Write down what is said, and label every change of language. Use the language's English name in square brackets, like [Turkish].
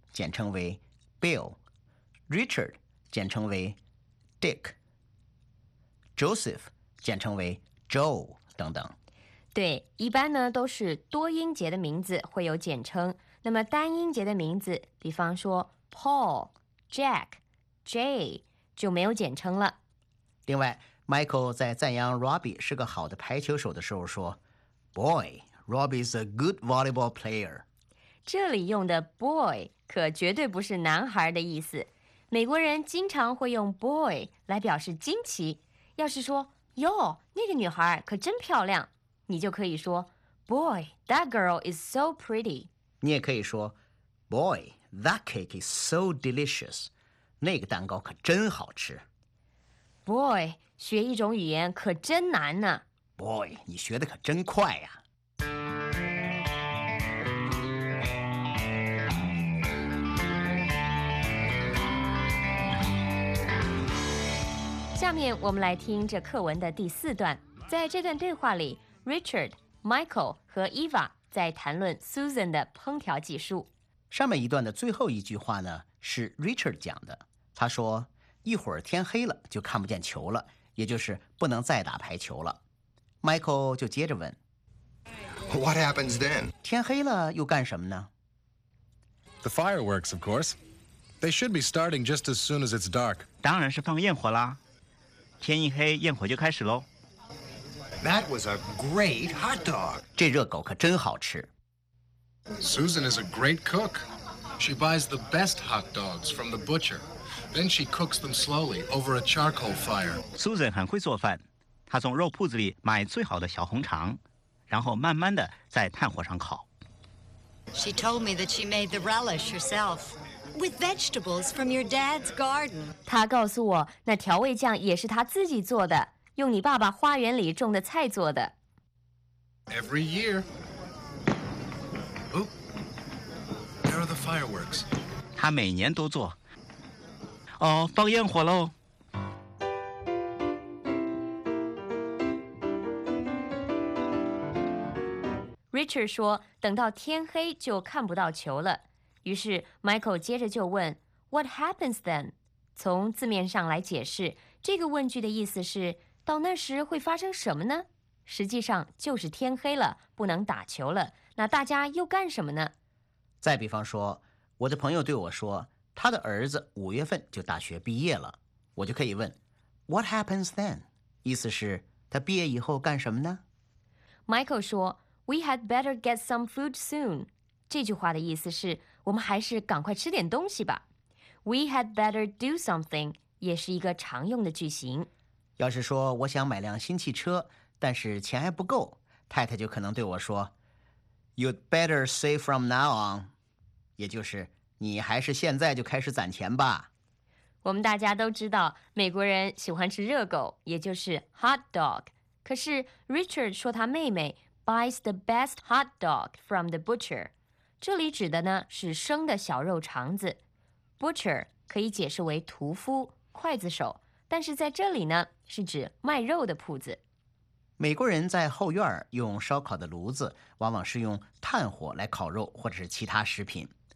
[Chinese] 简称为 Bill, Richard 简称为 Dick, Joseph 简称为 Joe 等等。对，一般呢都是多音节的名字会有简称，那么单音节的名字，比方说 Paul, Jack, Jay 就没有简称了。另外 Michael 在赞扬 Robbie 是个好的排球手的时候说 [English] Boy, Robbie's a good volleyball player. [Chinese] 这里用的 boy 可绝对不是男孩的意思，美国人经常会用 boy 来表示惊奇。要是说哟，那个女孩可真漂亮，你就可以说 [English] boy, that girl is so pretty. [Chinese] 你也可以说 [English] boy, that cake is so delicious. [Chinese] 那个蛋糕可真好吃。boy, 学一种语言可真难呢。boy, 你学的可真快呀。下面我们来听这课文的第四段。在这段对话里 Richard, Michael 和 Eva 在谈论 Susan 的烹调技术。上面一段的最后一句话呢是 Richard 讲的，他说一会儿天黑了就看不见球了，也就是不能再打排球了。Michael 就接着问 [English] What happens then? [Chinese] 天黑了又干什么呢？ [English] The fireworks, of course. They should be starting just as soon as it's dark. [Chinese] 当然是放焰火啦。天一黑,焰火就开始咯。 [English] That was a great hot dog. [Chinese] 这热狗可真好吃。Susan [English] is a great cook. She buys the best hot dogs from the butcher. Then she cooks them slowly over a charcoal fire. [Chinese] Susan 很会做饭。她从肉铺子里买最好的小红肠,然后慢慢地在炭火上烤。She [English] told me that she made the relish herself. With vegetables from your dad's garden. [Chinese] 他告诉我，那调味酱也是他自己做的，用你爸爸花园里种的菜做的。Every [English] year. Oop. There are the fireworks. [Chinese] 他每年都做。哦，放焰火喽。 Richard 说，等到天黑就看不到球了。于是Michael接着就问 [English] What happens then? [Chinese] 从字面上来解释，这个问句的意思是到那时会发生什么呢？实际上就是天黑了，不能打球了，那大家又干什么呢？再比方说，我的朋友对我说，他的儿子五月份就大学毕业了，我就可以问 [English] What happens then? [Chinese] 意思是他毕业以后干什么呢？ [English] Michael [Chinese] 说 [English] We had better get some food soon. [Chinese] 这句话的意思是我们还是赶快吃点东西吧。 [English] We had better do something [Chinese] 也是一个常用的句型。要是说我想买辆新汽车，但是钱还不够，太太就可能对我说 [English] You'd better save from now on. [Chinese] 也就是你还是现在就开始攒钱吧。我们大家都知道美国人喜欢吃热狗，也就是 hot dog。可是 Richard 说他妹妹 [English] buys the best hot dog from the butcher， [Chinese] 这里指的呢是生的小肉肠子。 butcher 可以解释为屠夫、刽子手，但是在这里呢是指卖肉的铺子。美国人在后院用烧烤的炉子往往是用炭火来烤肉或者是其他食品。